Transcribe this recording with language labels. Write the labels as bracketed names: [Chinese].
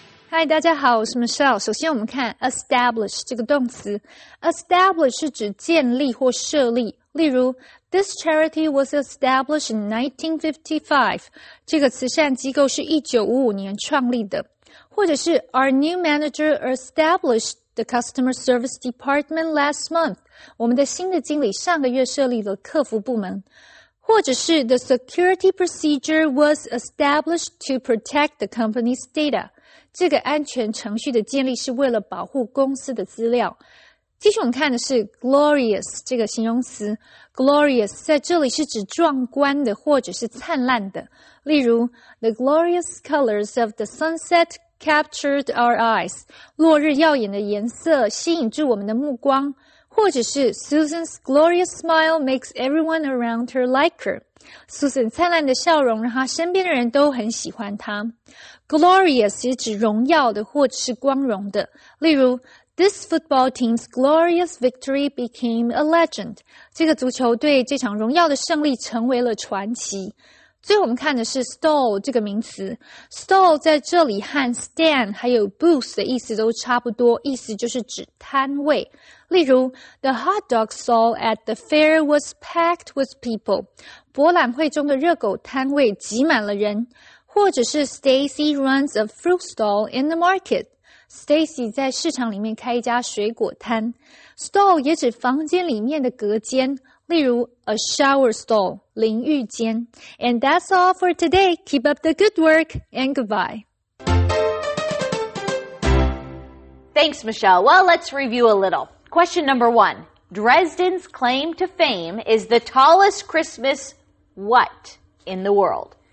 [Chinese] Hi, 大家好，我是 Michelle。首先我们看 establish 这个动词。 Establish 是指建立或设立。例如 , [English] This charity was established in 1955. [Chinese] 这个慈善机构是1955年创立的。或者是 [English] ,Our new manager established the customer service department last month. [Chinese] 我们的新的经理上个月设立了客服部门。或者是 [English] ,The security procedure was established to protect the company's data. [Chinese] 这个安全程序的建立是为了保护公司的资料。继续我们看的是 glorious 这个形容词。glorious 在这里是指壮观的或者是灿烂的。例如 [English] ,The glorious colors of the sunset captured our eyes. [Chinese] 落日耀眼的颜色吸引住我们的目光。或者是 [English] ,Susan's glorious smile makes everyone around her like her. [Chinese] Susan 灿烂的笑容让她身边的人都很喜欢她。 Glorious 也指荣耀的或者是光荣的。例如 [English] ,This football team's glorious victory became a legend. [Chinese] 这个足球队这场荣耀的胜利成为了传奇。最后我们看的是 stall 这个名词。stall 在这里和 stand 还有 booth 的意思都差不多，意思就是指摊位。例如 [English] ,The hot dog stall at the fair was packed with people. [Chinese] 博览会中的热狗摊位挤满了人。或者是 [English] Stacy runs a fruit stall in the market. [Chinese] Stacy 在市场里面开一家水果摊。Stall 也指房间里面的隔间，例如 a shower stall, 淋浴间。 [English] And that's all for today. Keep up the good work and goodbye. Thanks, Michelle. Well, let's review a little. Question number one. Dresden's claim to fame is the tallest Christmas what in the world?